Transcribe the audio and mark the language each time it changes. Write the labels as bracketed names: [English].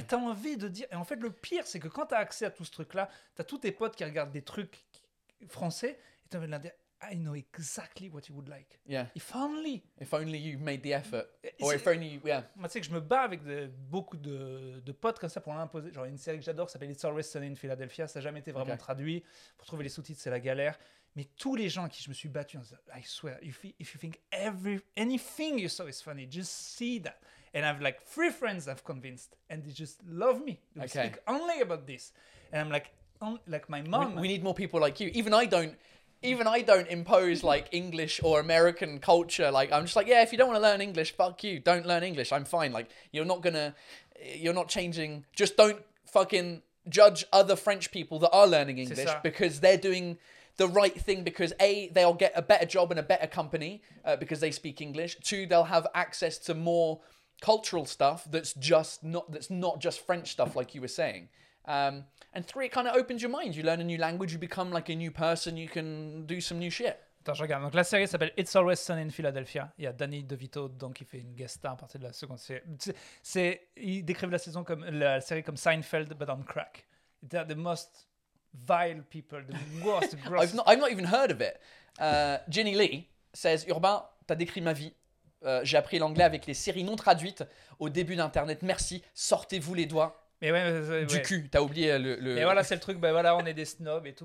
[French] Et t'as envie de dire... Et en fait, le pire, c'est que quand t'as accès à tout ce truc-là, t'as tous tes potes qui regardent des trucs français, et t'as envie de leur dire, [English] I know exactly what you would like. Yeah. If only you made the effort. Or if only, yeah. [French] Moi, tu sais que je me bats avec beaucoup de potes comme ça pour l'imposer. Genre, une série que j'adore qui s'appelle It's Always Sunny in Philadelphia. Ça n'a jamais été vraiment traduit. Pour trouver les sous-titres, c'est la galère. Mais tous les gens à qui je me suis battu, en disant, [English] I swear, if you think anything you saw is funny, just see that. And I've like three friends I've convinced, and they just love me. They speak only about this. And I'm like my mom. We need more people like you. Even I don't impose like English or American culture. Like I'm just like, yeah, if you don't want to learn English, fuck you. Don't learn English. I'm fine. Like you're not changing. Just don't fucking judge other French people that are learning English because they're doing the right thing because A, they'll get a better job in a better company because they speak English. Two, they'll have access to more cultural stuff that's not just French stuff like you were saying. And three, it kind of opens your mind. You learn a new language, you become like a new person, you can do some new shit. [French] Attends, je regarde. Donc la série s'appelle It's Always Sunny in Philadelphia. Il y a Danny DeVito donc qui fait une guest star à partir de la seconde série. Ils décrivent la série comme Seinfeld [English] but on crack. They're the most vile people, the worst gross. I've not even heard of it. [French] Ginny Lee says, Urbain, t'as décrit ma vie. J'ai appris l'anglais avec les séries non traduites au début d'Internet. Merci, sortez-vous les doigts. Mais ouais, ouais, ouais. Du cul, t'as oublié le. Mais voilà, c'est le truc. Ben voilà, on est des snobs et tout.